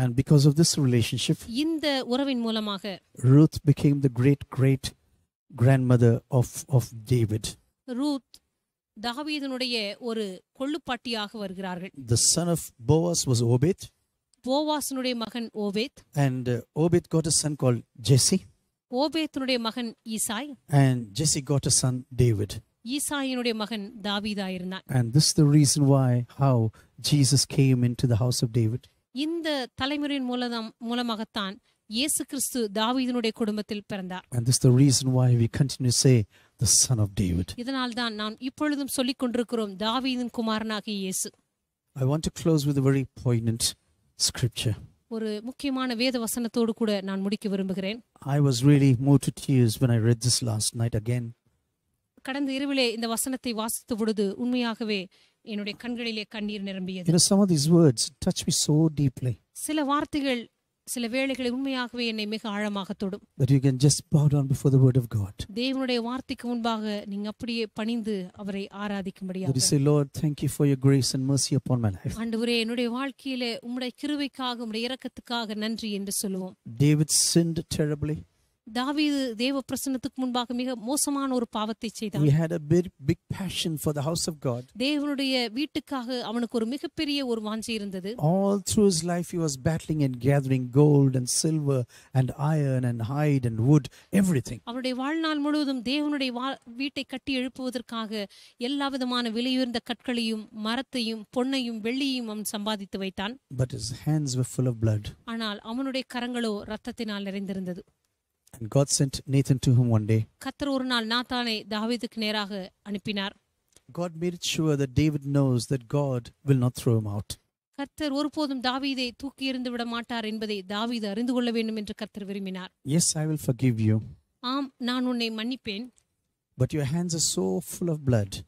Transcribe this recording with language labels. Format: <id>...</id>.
<en>And because of this relationship</en> <ta>இந்த உறவின் மூலமாக</ta> <en>Ruth became the great great grandmother of David.</en> <ta>Ruth தாவீதுனுடைய ஒரு கொள்ளுப்பாட்டியாக வருகிறார்கள்.</ta> <en>The son of Boaz was Obed.</en> <ta>போவாஸ்னுடைய மகன் Obed.</ta> <en>And Obed got a son called Jesse.</en> <ta>ஓபேத்னுடைய மகன் ஈசாய்.</ta> <en>And Jesse got a son David.</en> <ta>ஈசாயினுடைய மகன் தாவீதாயிருந்தான்.</ta> <en>And this is the reason why how Jesus came into the house of David.</en> <ta>இந்த தலைமுறையின் மூலமாகத்தான் இயேசு கிறிஸ்து தாவீதுனுடைய குடும்பத்தில் பிறந்தார்.</ta> <en>And this is the reason why we continue to say the son of David.</en> <ta>இதனால் தான் நாம் இப்பொழுதும் சொல்லிக் கொண்டிருக்கிறோம் தாவீதின் குமாரனாகிய இயேசு.</ta> <en>I want to close with a very poignant scripture.</en> <ta>ஒரு முக்கியமான வேத வசனத்தோடு கூட நான் முடிக்க விரும்புகிறேன்.</ta> <en>I was really moved to tears when I read this last night again.</en> <ta>கடந்த இரவிலே இந்த வசனத்தை வாசித்து பொழுது உண்மையாகவே என்னுடைய கண்களிலே கண்ணீர் நிரம்பியது.</ta> <en>You know, some of these words touch me so deeply.</en> <ta>சில வார்த்தைகள் சில வேளைகளில் உண்மையாகவே என்னை மிக ஆழமாக தொடும்.</ta> <en>That you can just bow down before the word of God.</en> <ta>தேவனுடைய வார்த்தைக்கு முன்பாக நீங்க அப்படியே பணிந்து அவரை ஆராதிக்கும்படியாக.</ta> <en>That you say, Lord, thank you for your grace and mercy upon my life.</en> <ta>ஆண்டவரே, என்னுடைய வாழ்க்கையில உம்முடைய கிருபைக்காக உம்முடைய இரக்கத்துக்காக நன்றி என்று சொல்லுவோம்.</ta> <en>David sinned terribly.</en> <ta>தாவீது தேவ பிரசன்னத்துக்கு முன்பாக மிக மோசமான ஒரு பாவத்தை செய்தான்.</ta> <en>He had a big passion for the house of God.</en> <ta>தேவனுடைய வீட்டுக்காக அவனுக்கு ஒரு மிகப்பெரிய ஒரு வாஞ்சை இருந்தது.</ta> <en>All through his life he was battling and gathering gold and silver and iron and hide and wood everything.</en> <ta>அவருடைய வாழ்நாள் முழுவதும் தேவனுடைய வீட்டை கட்டி எழுப்புவதற்காக எல்லாவிதமான விலையுயர்ந்த கற்களையும் மரத்தையும் பொன்னையும் வெள்ளியையும் அவன் சம்பாதித்து வைத்தான்.</ta> <en>But his hands were full of blood.</en> <ta>ஆனால் அவனுடைய கரங்களோ இரத்தத்தினால் நிறைந்திருந்தது.</ta> <en>And God sent Nathan to him one day.</en> <ta>கர்த்தர் ஒரு நாள் நாத்தானை தாவீதுக்கு நேராக அனுப்பினார்.</ta> <en>God made sure that David knows that God will not throw him out.</en> <ta>கர்த்தர் ஒருபோதும் தாவீதை தூக்கி எறிந்து விட மாட்டார் என்பதை தாவீது அறிந்து கொள்ள வேண்டும் என்று கர்த்தர் விரும்பினார்.</ta> <en>Yes, I will forgive you.</en> <ta>ஆம், நான் உன்னை மன்னிப்பேன்.</ta> <en>But your hands are so full of blood.</en>